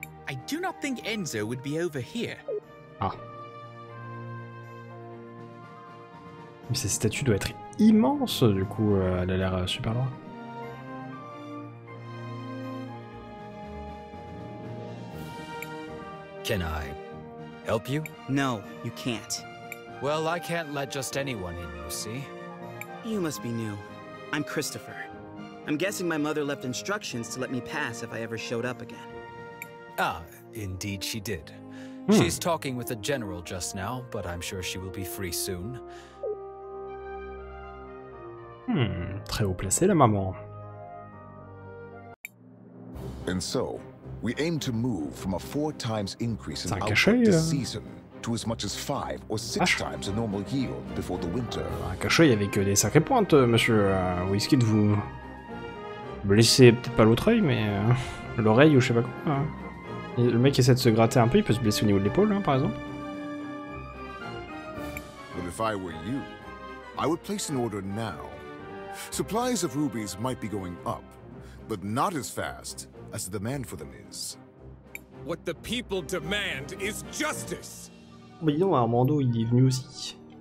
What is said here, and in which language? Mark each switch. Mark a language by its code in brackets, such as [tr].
[en] I do not think Enzo would be over here. Ah. [fr] Mais cette statue doit être immense, du coup, elle a l'air super loin. [en] Can I help you? No, you can't. Well, I can't let just anyone in, you see. You must be new. I'm Cristopher. I'm guessing my mother left instructions to let me pass if I ever showed up again. Ah, indeed she did. Hmm. She's talking with a general just now, but I'm sure she will be free soon. [fr] Très haut placé, la maman. [en] And so, we aim to move from a 4x increase in output this season to as much as 5 or 6 times a normal yield before the winter. [fr] Un cachet avec des sacrées pointes, monsieur. Où est-ce qu'il vous blessez peut-être pas l'autre œil, mais l'oreille ou je sais pas quoi. Hein. Le mec essaie de se gratter un peu, il peut se blesser au niveau de l'épaule, hein, par exemple. [en] But if I were you, I would place an order now. Supplies of rubies might be going up, but not as fast as the demand for them is. What the people demand is justice. [fr] Mais non, Armando, il est venu aussi.